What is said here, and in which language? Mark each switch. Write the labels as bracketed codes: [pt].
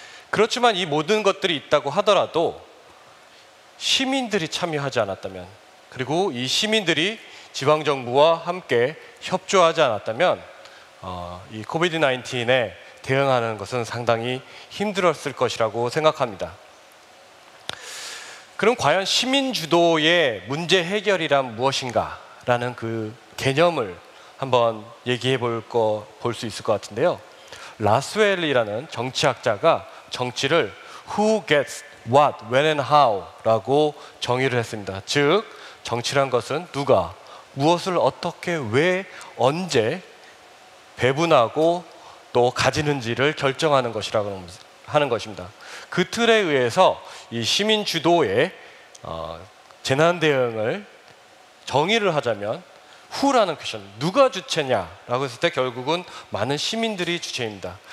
[ko] 그렇지만 이 모든 것들이 있다고 하더라도 시민들이 참여하지 않았다면 그리고 이 시민들이 지방정부와 함께 협조하지 않았다면 이 COVID-19에 대응하는 것은 상당히 힘들었을 것이라고 생각합니다. 그럼 과연 시민주도의 문제 해결이란 무엇인가? 라는 그 개념을 한번 얘기해 볼 수 있을 것 같은데요. 라스웰이라는 정치학자가 정치를 [en] Who gets what, when and how? [ko] 라고 정의를 했습니다. 즉, 정치란 것은 누가? 무엇을 어떻게 왜 언제 배분하고 또 가지는지를 결정하는 것이라고 하는 것입니다. 그 틀에 의해서 이 시민 주도의 재난 대응을 정의를 하자면 후라는 퀘션 누가 주체냐라고 했을 때 결국은 많은 시민들이 주체입니다.